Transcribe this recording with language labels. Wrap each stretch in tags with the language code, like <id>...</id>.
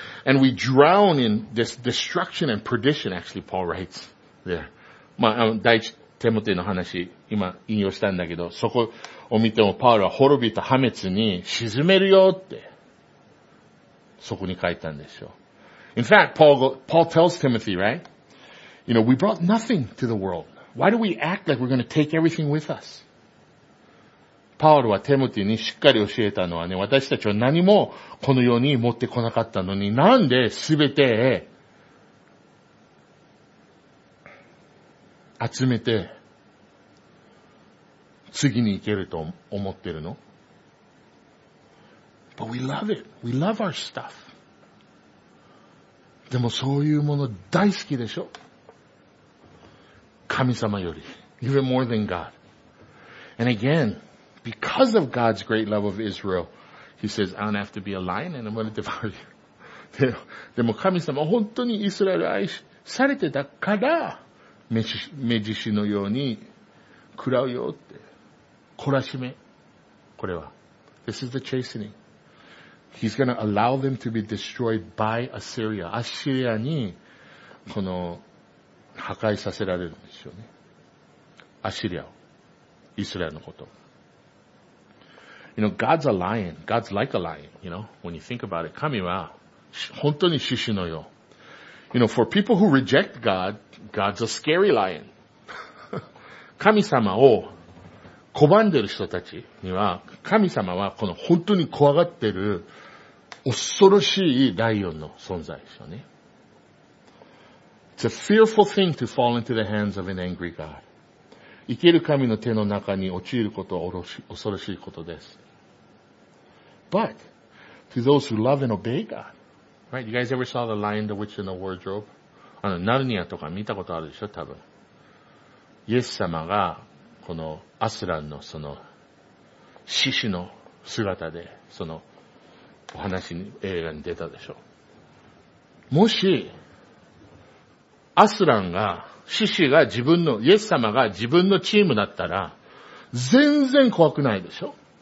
<en>And we drown in this destruction and perdition, actually, Paul writes there.</en> <ja>まあ、第一テモテの話、今引用したんだけど、そこ、を見てもパウロは滅びた破滅に沈めるよってそこに書いたんですよ。</ja> <en>In fact, Paul tells Timothy, right? You know, we brought nothing to the world. Why do we act like we're going to take everything with us?</en> <ja>パウロはテモテにしっかり教えたのはね、私たちは何もこの世に持ってこなかったのに、なんで全て集めて次に行けると思ってるの?</ja> <en>But we love it. We love our stuff.</en> <ja>でもそういうもの大好きでしょ? 神様より。</ja> <en>Even more than God. And again, because of God's great love of Israel, he says, I don't have to be a lion and I'm going to devour you.</en> <ja>でも神様本当にイスラエル愛されてたから、目獅子のように喰らうよって。懲らしめ、これは。</ja> <en>This is the chastening. He's going to allow them to be destroyed by Assyria.</en> <ja>アッシリアに、この、破壊させられるんですよね。アッシリアを。イスラエルのこと。</ja> <en>You know, God's a lion. God's like a lion, you know, when you think about it.</en> <ja>神は、本当に獅子のよう。</ja> <en>You know, for people who reject God, God's a scary lion.</en> <ja>神様を、拒んでる人たちには、神様はこの本当に怖がってる恐ろしいライオンの存在ですよね。</ja> <en>It's a fearful thing to fall into the hands of an angry God.</en> <ja>生きる神の手の中に陥ることは恐ろしいことです。</ja> <en>But, to those who love and obey God. Right, you guys ever saw the Lion, the Witch, and the Wardrobe?</en> <ja>あの、ナルニアとか見たことあるでしょ、多分。イエス様が、このアスランのその獅子の姿でそのお話に映画に出たでしょう。もしアスランが獅子が自分のイエス様が自分のチームだったら全然怖くないでしょ。</ja>